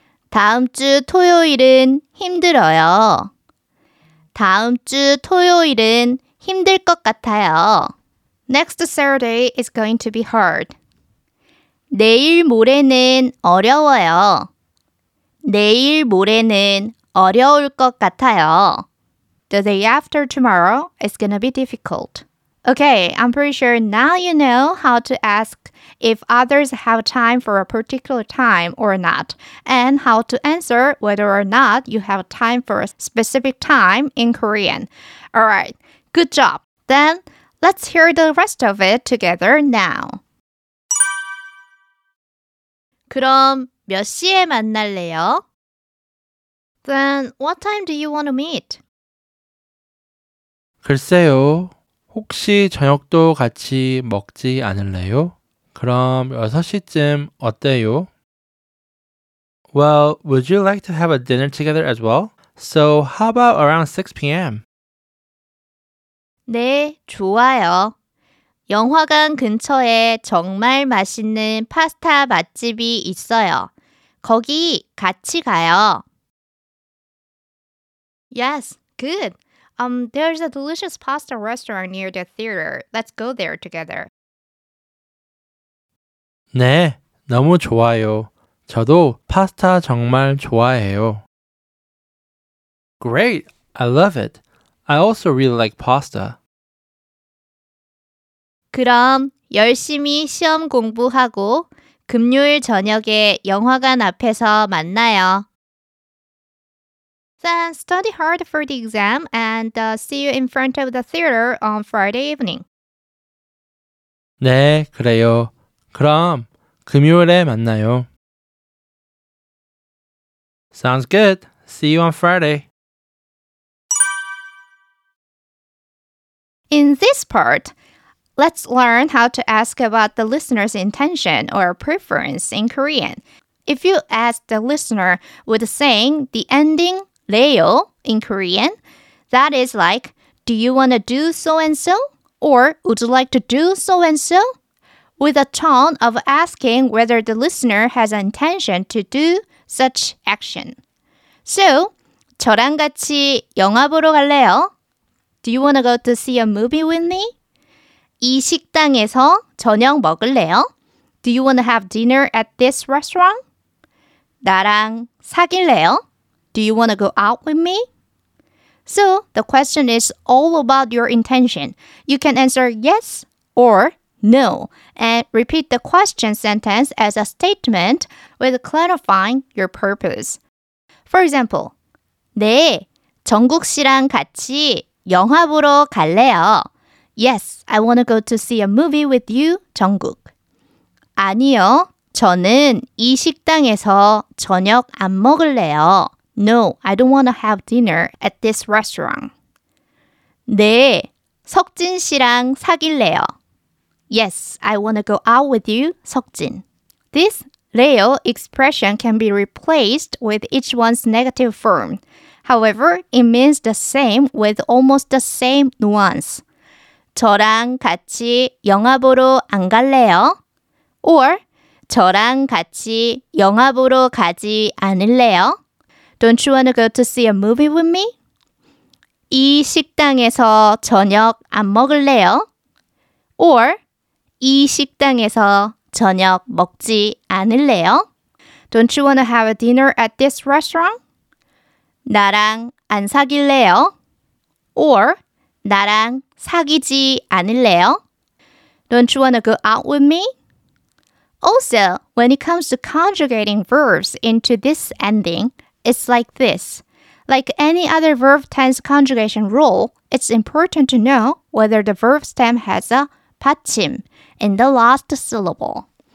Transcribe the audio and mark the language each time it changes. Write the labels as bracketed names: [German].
[Korean] 다음 주 토요일은 힘들어요. 다음 주 토요일은 힘들 것 같아요. [English] Next Saturday is going to be hard. [Korean] 내일 모레는 어려워요. 내일 모레는 어려울 것 같아요. [English] The day after tomorrow is going to be difficult. Okay, I'm pretty sure now you know how to ask if others have time for a particular time or not, and how to answer whether or not you have time for a specific time in Korean. Alright, good job. Then, let's hear the rest of it together now. [Korean] 그럼 몇 시에 만날래요? [English] Then, what time do you want to meet? [Korean] 글쎄요. 혹시 저녁도 같이 먹지 않을래요? 그럼 6시쯤 어때요? [English] Well, would you like to have a dinner together as well? So, how about around 6 p.m.? [Korean] 네, 좋아요. 영화관 근처에 정말 맛있는 파스타 맛집이 있어요. 거기 같이 가요. [English] Yes, good. There's a delicious pasta restaurant near the theater. Let's go there together. [Korean] 네, 너무 좋아요. 저도 파스타 정말 좋아해요. [English] Great, I love it. I also really like pasta. [Korean] 그럼 열심히 시험 공부하고 금요일 저녁에 영화관 앞에서 만나요. [English] Then study hard for the exam and see you in front of the theater on Friday evening. [Korean] 네, 그래요. 그럼 금요일에 만나요. [English] Sounds good. See you on Friday. In this part, let's learn how to ask about the listener's intention or preference in Korean. If you ask the listener with saying the ending 래요 in Korean, that is like, do you want to do so-and-so? Or would you like to do so-and-so? With a tone of asking whether the listener has an intention to do such action. So, [Korean] 저랑 같이 영화 보러 갈래요? [English] Do you want to go to see a movie with me? [Korean] 이 식당에서 저녁 먹을래요? [English] Do you want to have dinner at this restaurant? [Korean] 나랑 사귈래요? [English] Do you want to go out with me? So, the question is all about your intention. You can answer yes or no, and repeat the question sentence as a statement with clarifying your purpose. For example, [Korean] 네, 정국 씨랑 같이 영화 보러 갈래요. [English] Yes, I want to go to see a movie with you, 정국. [Korean] 아니요, 저는 이 식당에서 저녁 안 먹을래요. [English] No, I don't want to have dinner at this restaurant. [Korean] 네, 석진 씨랑 사귈래요. [English] Yes, I want to go out with you, 석진. This 래요 expression can be replaced with each one's negative form. However, it means the same with almost the same nuance. [Korean] 저랑 같이 영화 보러 안 갈래요? Or 저랑 같이 영화 보러 가지 않을래요? [English] Don't you want to go to see a movie with me? [Korean] 이 식당에서 저녁 안 먹을래요? Or 이 식당에서 저녁 먹지 않을래요? [English] Don't you want to have a dinner at this restaurant? [Korean] 나랑 안 사귈래요? Or 나랑 사귀지 않을래요? [English] Don't you want to go out with me? Also, when it comes to conjugating verbs into this ending, it's like this. Like any other verb tense conjugation rule, it's important to know whether the verb stem has a 받침 in the last syllable.